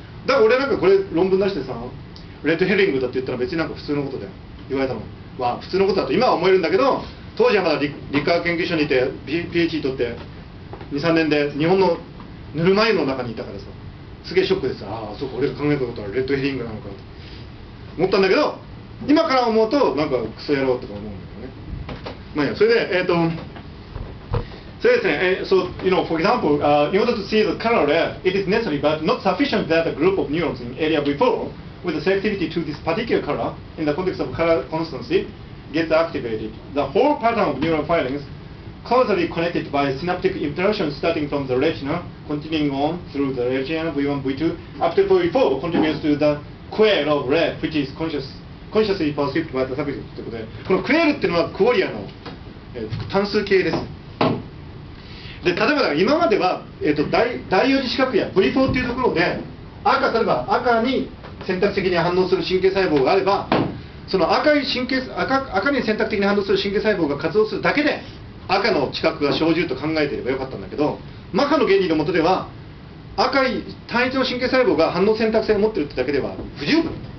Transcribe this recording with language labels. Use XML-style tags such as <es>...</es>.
<ja>だから俺なんかこれ論文出してさ、レッドヘリングだって言ったら別になんか普通のことで言われたのは普通のことだと今は思えるんだけど、当時はまだ理科研究所にいて PhD 取って2、3年で日本のぬるま湯の中にいたからさ、すげえショックでさ、ああそうか、俺が考えたことはレッドヘディングなのかと思ったんだけど、今から思うとなんかクソ野郎とか思うんだけどね。まあいいや、それでそれですね、</ja> <en>so you know, for example, in order to see the color red, it is necessary but not sufficient that a group of neurons in area V4 with the selectivity to this particular color in the context of color constancy gets activated. The whole pattern of neural firingsCausally connected by synaptic interaction starting from the retina, continuing on through the retina V1, V2, after V4 contributes to the quail of red, which is consciously perceived by the subject.</en> <ja>ということで、このクエールっていうのはクオリアの、単数形です。で、例えば今までは、第四次視覚野 V4 っていうところで、赤たれば赤に選択的に反応する神経細胞があれば、その赤に選択的に反応する神経細胞が活動するだけで赤の知覚が生じると考えていればよかったんだけど、マッハの原理のもとでは赤い単一の神経細胞が反応選択性を持っているってだけでは不十分。</ja>